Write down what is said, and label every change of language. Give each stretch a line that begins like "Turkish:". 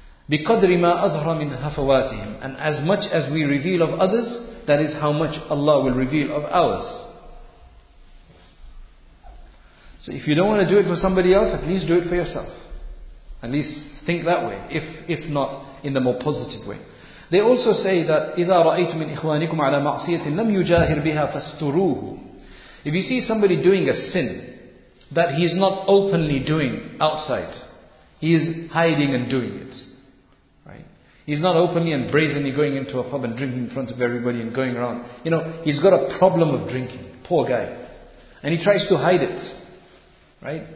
Arabic: بِقَدْرِ مَا أَظْهَرَ مِنْ هَفَوَاتِهِمْ.
English: And as much as we reveal of others, that is how much Allah will reveal of ours. So if you don't want to do it for somebody else, at least do it for yourself. At least think that way, if not in the more positive way. They also say that
Arabic: إِذَا رَأَيْتُ مِنْ إِخْوَانِكُمْ عَلَى مَعْصِيَةٍ لَمْ يُجَاهِرْ بِهَا فَاسْتُرُوهُ.
English: If you see somebody doing a sin that he's not openly doing outside, he is hiding and doing it. He's not openly and brazenly going into a pub and drinking in front of everybody and going around. You know, he's got a problem of drinking. Poor guy. And he tries to hide it. Right?